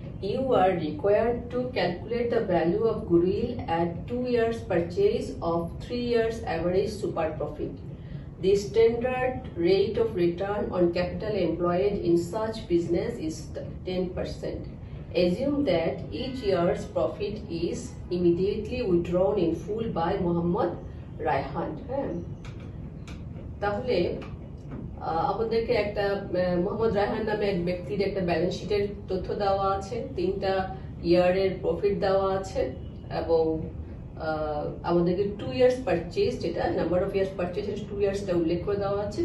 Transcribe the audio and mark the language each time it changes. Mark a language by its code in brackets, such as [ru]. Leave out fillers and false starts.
[en] You are required to calculate the value of goodwill at 2 years purchase of 3 years average super profit. The standard rate of return on capital employed in such business is 10%। Assume that each year's profit is immediately withdrawn in full by Muhammad Rayhan. [bn] তাহলে আমাদেরকে একটা মোহাম্মদ রায়হান নামে এক ব্যক্তির একটা balance শিটের তথ্য দেওয়া আছে, 3টা ইয়ারের প্রফিট দেওয়া আছে এবং আমাদেরকে 2 ইয়ার্স পারচেজ, যেটা নাম্বার অফ ইয়ার্স পারচেজ 2 ইয়ার্সটা উল্লেখ করে দেওয়া আছে।